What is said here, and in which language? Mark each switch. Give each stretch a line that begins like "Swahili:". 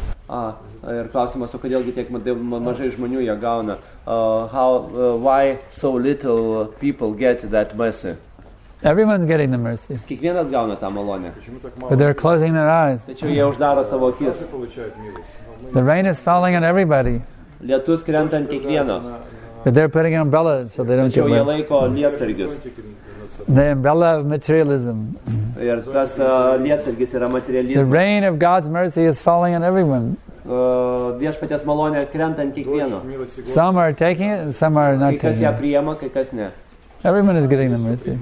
Lithuanian: Ah, ir klausimas, o kodėlgi tiek mažai žmonių jie gauna?
English: Why so little people get that mercy? Everyone's getting the mercy.
Lithuanian: Kiekvienas gauna tą malonę.
English: But they're closing their eyes.
Lithuanian: Tačiau jie uždaro savo akis.
English: The rain is falling on everybody.
Lithuanian: Lietus krenta ant kiekvieno.
English: They're putting umbrellas so they don't get wet.
Lithuanian: Jie laiko lietsargius.
English: The umbrella of materialism. The rain of God's mercy is falling on everyone.
Lithuanian: Viešpaties malonė krenta ant kiekvieno.
English: Some are taking it and some are not taking it.
Lithuanian: Kai kas ją priima, kai kas ne.
English: Everyone is getting the mercy.